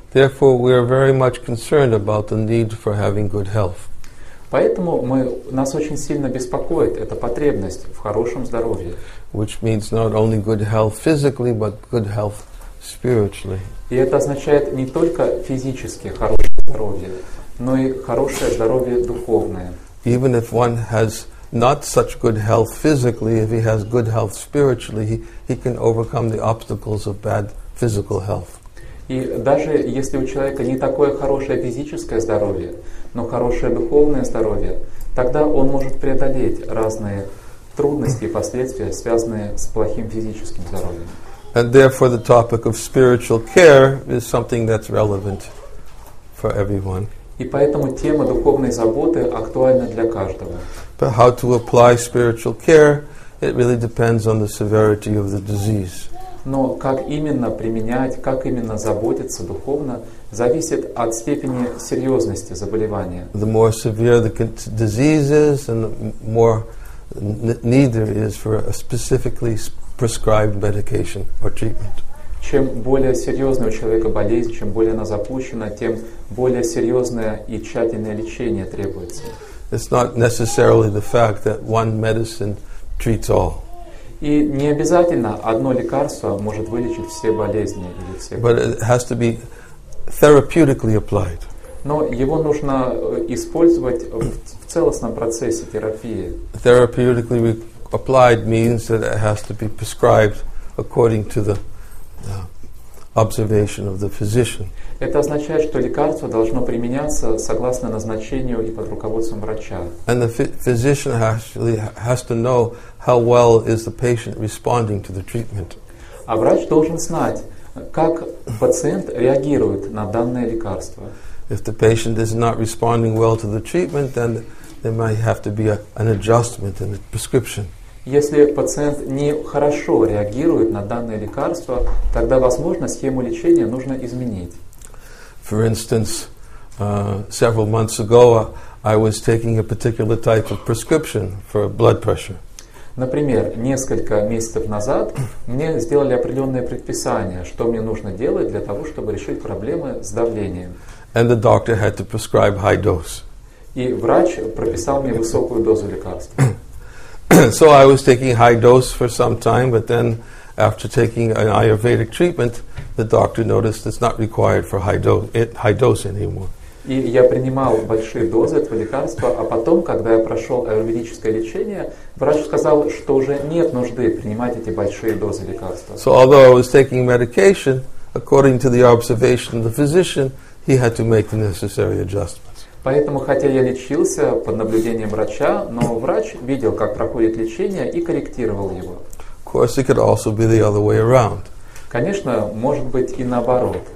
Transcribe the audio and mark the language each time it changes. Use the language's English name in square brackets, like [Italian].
[English] Therefore, we are very much concerned about the need for having good health. [Russian] Поэтому нас очень сильно беспокоит эта потребность в хорошем здоровье. [English] Which means not only good health physically, but good health spiritually. [Russian] И это означает не только физически хорошее здоровье, но и хорошее здоровье духовное. [English] Even if one has not such good health physically, if he has good health spiritually, he can overcome the obstacles of bad physical health. [Russian] И даже если у человека не такое хорошее физическое здоровье, но хорошее духовное здоровье, тогда он может преодолеть разные трудности и последствия, связанные с плохим физическим здоровьем. [English] And therefore the topic of spiritual care is something that's relevant for everyone. [Russian] И поэтому тема духовной заботы актуальна для каждого. [English] But how to apply spiritual care, it really depends on the severity of the disease. [Russian] Но как именно применять, как именно заботиться духовно, зависит от степени серьезности заболевания. [English] The more severe the disease is, and the more need there is for a specifically prescribed medication or treatment. [Russian] Чем более серьезная у человека болезнь, чем более она запущена, тем более серьезное и тщательное лечение требуется. [English] It's not necessarily the fact that one medicine treats all. [Russian] И не обязательно одно лекарство может вылечить все болезни или все. [English] But it has to be therapeutically applied. [Russian] Но его нужно использовать в целостном процессе терапии. [English] Therapeutically applied means that it has to be prescribed according to the observation of the physician. [Russian] Это означает, что лекарство должно применяться согласно назначению и под руководством врача. [English] And the physician actually has to know how well is the patient responding to the treatment. [Russian] А врач должен знать, как пациент реагирует на данное лекарство. [English] If the patient is not responding well to the treatment, then there might have to be an adjustment in the prescription. [Russian] Если пациент не хорошо реагирует на данное лекарство, тогда, возможно, схему лечения нужно изменить. [English] For instance, several months ago, I was taking a particular type of prescription for blood pressure. [Russian] Например, несколько месяцев назад мне сделали определенное предписание, что мне нужно делать для того, чтобы решить проблемы с давлением. [English] And the doctor had to prescribe high dose. [Russian] И врач прописал мне высокую дозу лекарства. [English] So I was taking high dose for some time, but then after taking an Ayurvedic treatment, the doctor noticed it's not required for high dose anymore. [Russian] И я принимал большие дозы этого лекарства, а потом, когда я прошел аюрведическое лечение, врач сказал, что уже нет нужды принимать эти большие дозы лекарства. [English] So although I was taking medication, according to the observation of the physician, he had to make the necessary adjustments. [Russian] Поэтому, хотя я лечился под наблюдением врача, но врач видел, как проходит лечение, и корректировал его. [English] Of course, it could also be the other way around. [Russian] Конечно, может быть и наоборот.